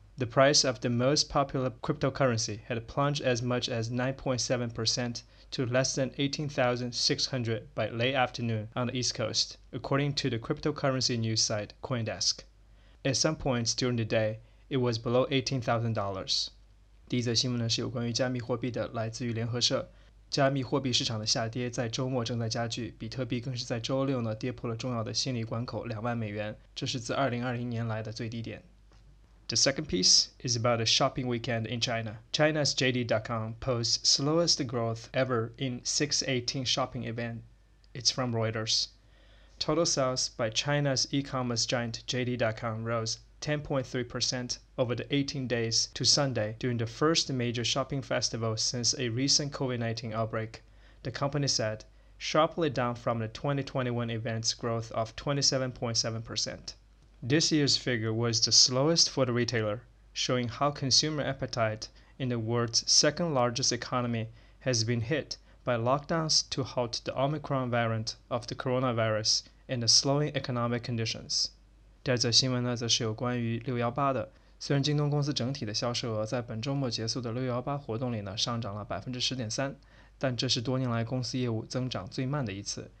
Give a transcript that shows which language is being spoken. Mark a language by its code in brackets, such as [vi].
[en] The price of the most popular cryptocurrency had plunged as much as 9.7% to less than $18,600 by late afternoon on the East Coast, according to the cryptocurrency news site CoinDesk. At some points during the day, it was below $18,000. [zh] 第一则新闻呢是有关于加密货币的，来自于联合社。加密货币市场的下跌在周末正在加剧，比特币更是在周六呢跌破了重要的心理关口$20,000，这是自2020年来的最低点。 [en] The second piece is about a shopping weekend in China. China's JD.com posts slowest growth ever in 618 shopping event. It's from Reuters. Total sales by China's e-commerce giant JD.com rose 10.3% over the 18 days to Sunday during the first major shopping festival since a recent COVID-19 outbreak, the company said, sharply down from the 2021 event's growth of 27.7%. This year's figure was the slowest for the retailer, showing how consumer appetite in the world's second largest economy has been hit by lockdowns to halt the Omicron variant of the coronavirus and the slowing economic conditions. [zh] 第二则新闻呢，则是有关于618的。虽然京东公司整体的销售额在本周末结束的618活动里呢上涨了10.3%，但这是多年来公司业务增长最慢的一次。